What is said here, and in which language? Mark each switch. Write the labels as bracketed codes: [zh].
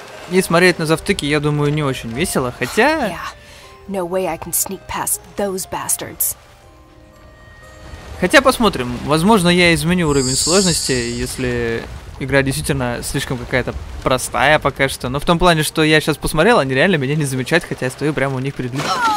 [ru] И смотреть на завтыки, я думаю, не очень весело, хотя... [en] No way I can sneak past those bastards. [ru] Хотя посмотрим, возможно, я изменю уровень сложности, если игра действительно слишком какая-то простая пока что. Но в том плане, что я сейчас посмотрел, они реально меня не замечают, хотя я стою прямо у них перед лицом.